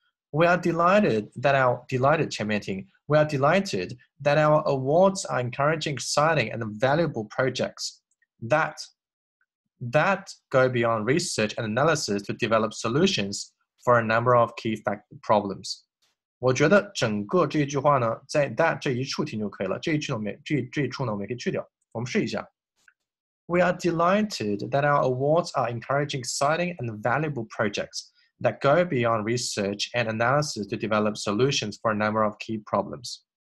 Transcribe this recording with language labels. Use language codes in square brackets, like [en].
[en] We are delighted that our awards are encouraging exciting and valuable projects that go beyond research and analysis to develop solutions for a number of key problems. [zh] 我觉得整个这一句话呢，在 that 这一处听就可以了。这一处呢，我们可以去掉。我们试一下。 [en] We are delighted that our awards are encouraging exciting and valuable projects that go beyond research and analysis to develop solutions for a number of key problems.